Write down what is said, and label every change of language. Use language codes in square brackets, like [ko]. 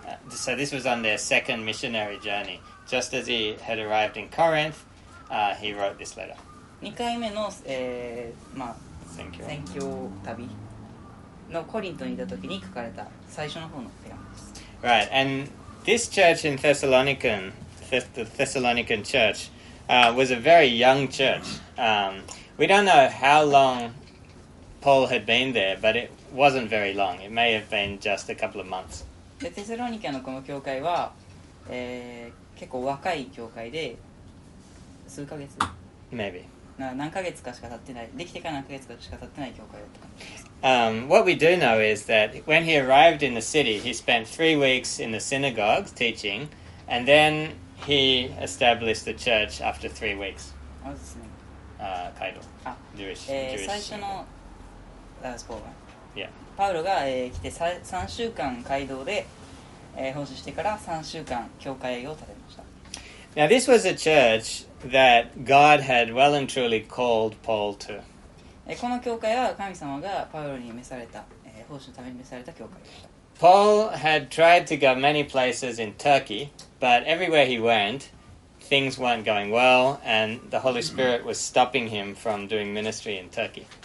[en] So this was on their second missionary journey. Just as he had arrived in Corinth, he wrote this letter. [ja] 2回目の、まあ宣教旅のコリントにいた時に書かれた最初の方の手紙です。 [en] Right, and this church in Thessalonica, the Thessalonican church, was a very young church. We don't know how long Paul had been there, but it wasn't very long. It may have been just a couple of months. [ja] でテサロニケのこの教会は、結構若い教会で数ヶ月 [en] Maybe. [ja] 何ヶ月かしか経ってない、できてから何ヶ月かしか経ってない教会だった。 [en] What we do know is that when he arrived in the city, he spent 3 weeks in the synagogues teaching, and then he established the church after 3 weeks. [ja] あ、ですね。 Kaido. Jewish. 最初の、ラスポーバ [en] ー。 Yeah. [ja] パウロが、来て3週間街道で、奉仕してから3週間教会を建てました。 [en] Now this was a church that God had well and truly called Paul to. [ja] この教会は神様がパウロに召された、奉仕のために召された教会でした。 [en] Paul had tried to go many places in Turkey, but everywhere he went, things weren't going well, and the Holy Spirit was stopping him from doing ministry in Turkey.